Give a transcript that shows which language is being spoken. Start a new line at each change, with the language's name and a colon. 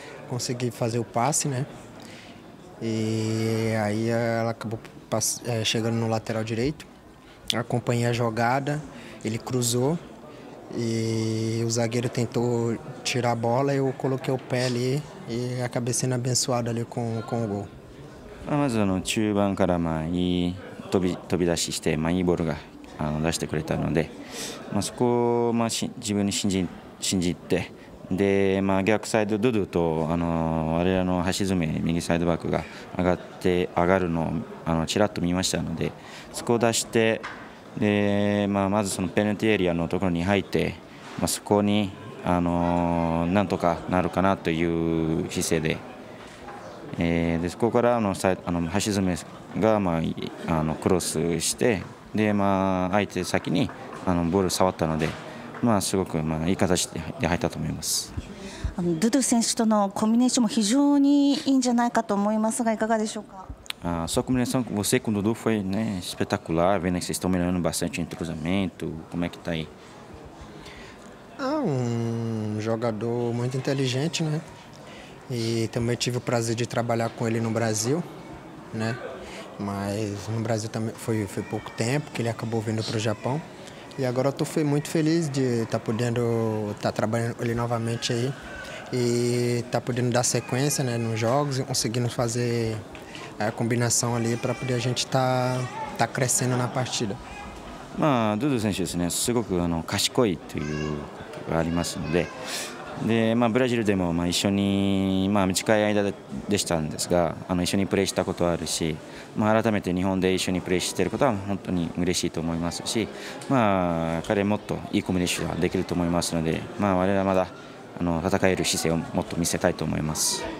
Portuguese: Consegui fazer o passe, né? E aí ela acabou chegando no lateral direito. Acompanhei a jogada, ele cruzou e o zagueiro tentou tirar a bola, eu coloquei o pé ali. E acabei sendo abençoado ali com o gol. Mas no
Japanese: 中盤からまあいい飛び出ししてまあいいボールがあの出してくれたので、まあそこをまあ自分に信じて、でまあ逆サイドドゥドゥとあの我々の橋爪右サイドバックが上がるのをあのちらっと見ましたので、そこを出して、でまあまずそのペナルティエリアのところに入って、まあそこに。なんとかなるかなという姿勢 で、そこからあの橋爪が、まあ、あのクロスして、で、まあ、相手先にあのボール触ったので、まあ、すごく、まあ、いい形で入ったと思います。ドゥドゥ選手とのコンビネーションも非常にいいんじゃないかと思いますが、いかがでしょうか。
Portuguese: Sua combinação com você com o Dudu foi, né, espetacular, vendo que vocês estão melhorando bastante entre o cruzamento, como é que está aí? Um jogador muito inteligente, né? E também tive o prazer de trabalhar com ele no Brasil, né? Mas no Brasil também foi pouco tempo que ele acabou vindo para o Japão. E agora eu estou muito feliz de estar podendo estar trabalhando com ele novamente aí. E estar podendo dar sequência, né, nos jogos e conseguindo fazer a combinação ali para poder a gente estar crescendo na partida.
Japanese: まあ、ドゥドゥ選手ですね、すごくあの賢いということがありますので、で、まあ、ブラジルでも、まあ、一緒に、まあ、短い間でしたんですが、あの一緒にプレーしたことはあるし、まあ、改めて日本で一緒にプレーしていることは本当に嬉しいと思いますし、まあ、彼もっといいコミュニケーションができると思いますので、まあ、我々はまだあの戦える姿勢をもっと見せたいと思います。